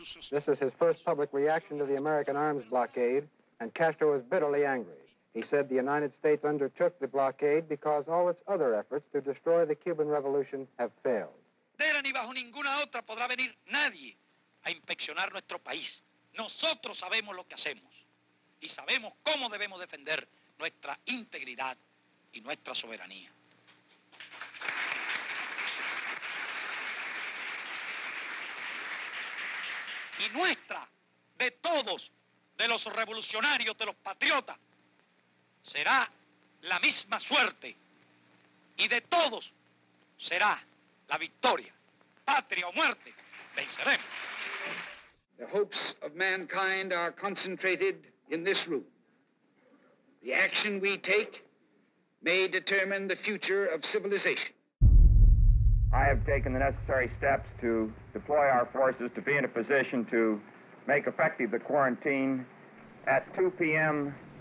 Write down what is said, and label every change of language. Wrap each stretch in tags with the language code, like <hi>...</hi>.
<en>This is his first public reaction to the American arms blockade, and Castro was bitterly angry. He said the United States undertook the blockade because all its other efforts to destroy the Cuban Revolution have failed.</en> <es>Ni bajo ninguna otra podrá venir nadie a inspeccionar nuestro país. Nosotros sabemos lo que hacemos y sabemos cómo debemos defender nuestra integridad y nuestra soberanía. Y nuestra, de todos, de los revolucionarios, de los patriotas, será la misma suerte y de todos será la victoria. Patria o muerte, venceremos.</es> <en>The hopes of mankind are concentrated in this room. The action we take may determine the future of civilization. I have taken the necessary steps to deploy our forces to be in a position to make effective the quarantine at 2 p.m.</en>